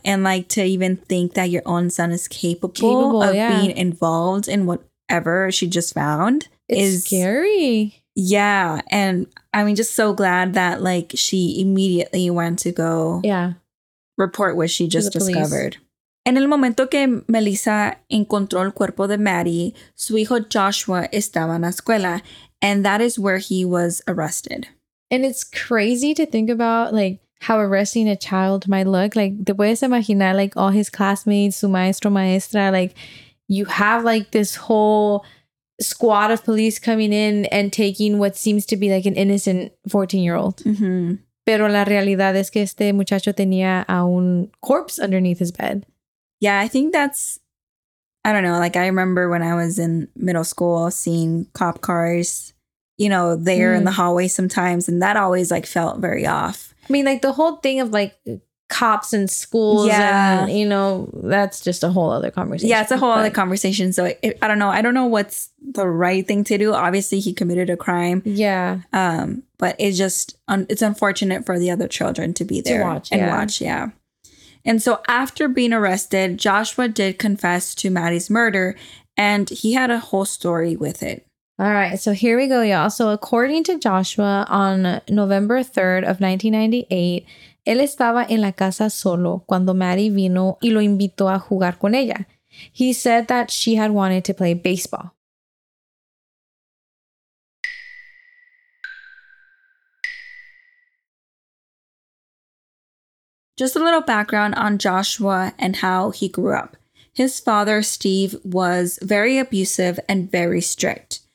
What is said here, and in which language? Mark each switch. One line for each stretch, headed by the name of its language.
English: And, like, to even think that your own son is capable of yeah. being involved in whatever she just found, it's scary. Yeah. And I mean, just so glad that, like, she immediately went to go yeah. report what she just discovered.
Spanish: En el momento que Melissa encontró el cuerpo de Maddie, su hijo Joshua estaba en la escuela,
English: and that is where he was arrested. And it's crazy to think about, like, how arresting a child might look. Like,
Spanish: te puedes imaginar,
English: like, all his classmates,
Spanish: su maestro, maestra,
English: like, you have, like, this whole squad of police coming in and taking what seems to be, like, an innocent 14-year-old. Mm-hmm.
Spanish: Pero la realidad es que este muchacho tenía a un
English: corpse underneath his bed. Yeah, I think that's, I don't know, like I remember when I was in middle school seeing cop cars, you know, there in the hallway sometimes. And that always like felt very off. I mean, like the whole thing of like cops and schools, yeah. And, you know, that's just a whole other conversation. Yeah, it's a whole other conversation. So I don't know. I don't know what's the right thing to do. Obviously, he committed a crime. Yeah. But it's just, it's unfortunate for the other children to be there. To watch. And so after being arrested, Joshua did confess to Maddie's murder and he had a whole story with it. All right. So here we go, y'all. So according to Joshua, on November 3rd of 1998,
Spanish: él estaba en la casa solo cuando Maddie vino y lo invitó a jugar con ella.
English: He said that she had wanted to play baseball. Just a little background on Joshua and how he grew up. His father, Steve, was very abusive and very strict.